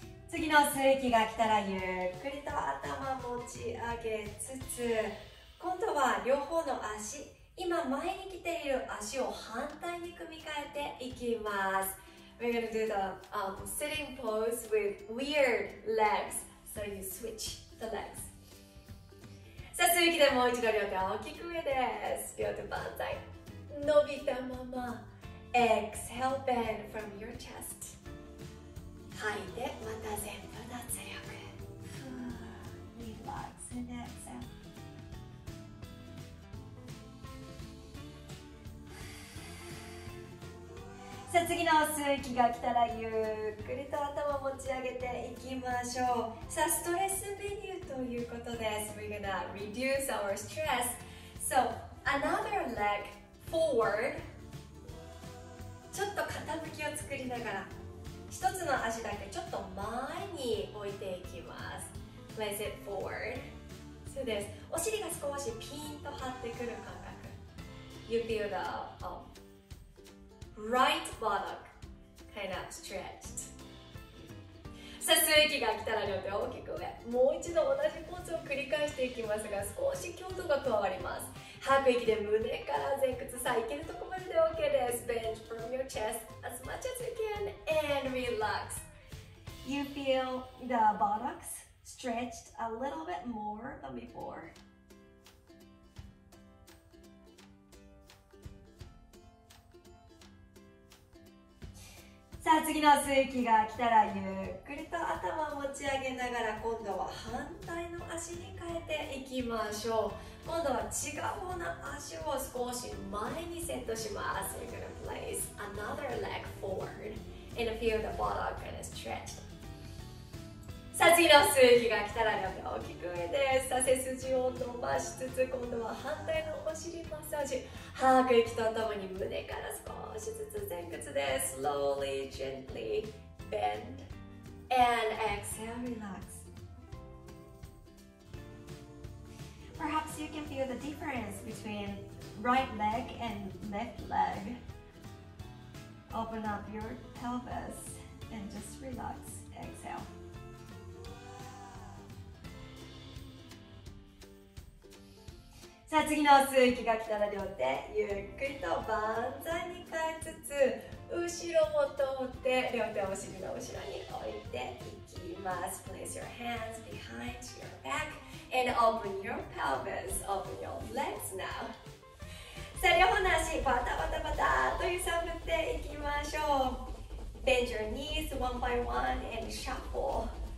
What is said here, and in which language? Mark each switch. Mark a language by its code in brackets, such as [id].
[ja] 次の吸う息が来たらゆっくりと頭持ち上げつつ、今度は両方の足、今前に来ている足を反対に組み替えていきます。 [en] We're gonna do the sitting pose with weird legs. So you switch the legs. [ja] さあ、吸う息でもう一度両手大きく上です。両手バンザイ。伸びたまま。 [en] Exhale, bend from your chest. [ja] 吐いて、また全部脱力。 [en] Relax and exhale. [ja] さあ次の吸う息が来たらゆっくりと頭を持ち上げていきましょう。さあストレスメニューということです。 [en] We're gonna reduce our stress. So another leg forward. [ja] ちょっと傾きを作りながら一つの足だけちょっと前に置いていきます。 [en] Place it forward. [ja] そうです。お尻が少しピンと張ってくる感覚。 [en] You feel the Right buttock, kind of stretched. [ja] さあ、吸う息が来たら両手を大きく上。もう一度同じポーズを繰り返していきますが、少し強度が加わります。吐く息で胸から前屈。さあ、いけるところまでで OK です。 [en] Bend from your chest as much as you can and relax. You feel the buttocks stretched a little bit more than before. [ja] さあ次の吸う息が来たらゆっくりと頭を持ち上げながら今度は反対の足に変えていきましょう。今度は違う方の足を少し前にセットします。 [en] You're gonna place another leg forward and feel the buttock and stretch. [ja] さあ次の吸う息が来たら両手大きく上です。背筋を伸ばしつつ今度は反対のお尻マッサージ。吐く息とともに胸から少しずつ前屈で [en] Slowly, gently, bend and exhale, relax. Perhaps you can feel the difference between right leg and left leg. Open up your pelvis and just relax, exhale. [ja] さあ次の吸う息が来たら両手ゆっくりとバンザイに変えつつ後ろも通って両手をお尻の後ろに置いていきます。 [en] Place your hands behind your back. and open your pelvis. Open your legs now. [ja] さあ、両方の足、バタバタバタと揺さぶっていきましょう。 [en] Bend your knees one by one and shuffle.